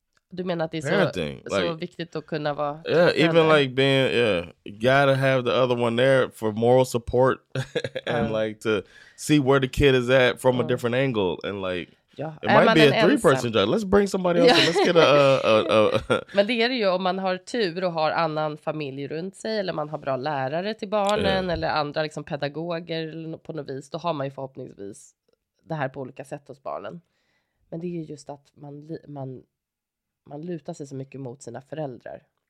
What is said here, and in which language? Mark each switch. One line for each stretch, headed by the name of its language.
Swedish: Du menar att det är så, parenting, så like, viktigt att kunna vara...
English: Yeah, even
Swedish: där.
English: Like being, yeah, gotta have the other one there for moral support and like to see where the kid is at from a different angle and like,
Swedish: ja.
English: It might be a 3-person job. Let's bring somebody else. Let's get a
Swedish: Men det är det ju om man har tur och har annan familj runt sig eller man har bra lärare till barnen eller andra liksom pedagoger på något vis, då har man ju förhoppningsvis det här på olika sätt hos barnen. Men det är ju just att man lutar sig så mycket mot sina föräldrar.